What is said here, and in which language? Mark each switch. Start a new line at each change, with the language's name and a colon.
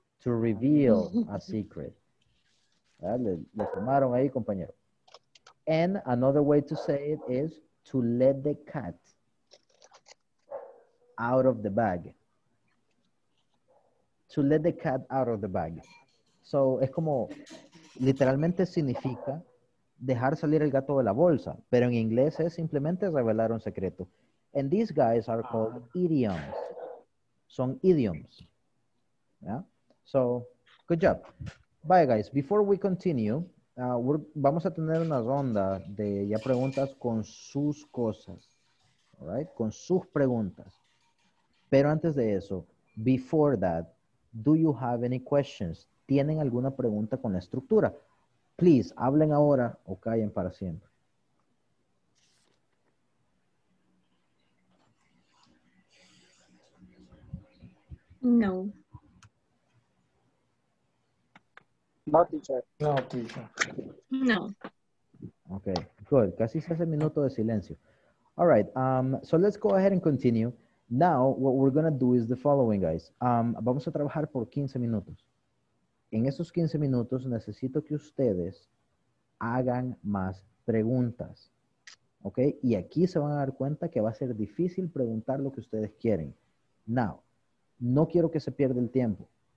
English: To reveal a secret.
Spanish: Le tomaron ahí, compañero.
English: And another way to say it is to let the cat out of the bag. To let the cat out of the bag.
Spanish: So, es como, literalmente significa dejar salir el gato de la bolsa. Pero en inglés es simplemente revelar un secreto.
English: And these guys are called idioms.
Spanish: Son idioms.
English: Yeah? So, good job. Bye, guys. Before we continue,
Spanish: vamos a tener una ronda de ya preguntas con sus cosas.
English: All right?
Spanish: Con sus preguntas. Pero antes de eso,
English: before that, do you have any questions?
Spanish: ¿Tienen alguna pregunta con la estructura? Please, hablen ahora o callen para siempre. No. No, teacher. No, teacher. No.
English: Okay, good.
Spanish: Casi se hace minuto de silencio.
English: All right, so let's go ahead and continue. Now, what we're going to do is the following, guys.
Spanish: Vamos a trabajar por 15 minutos. En esos 15 minutos, necesito que ustedes hagan más preguntas. ¿Ok? Y aquí se van a dar cuenta que va a ser difícil preguntar lo que ustedes quieren. Now, no quiero que se pierda el tiempo.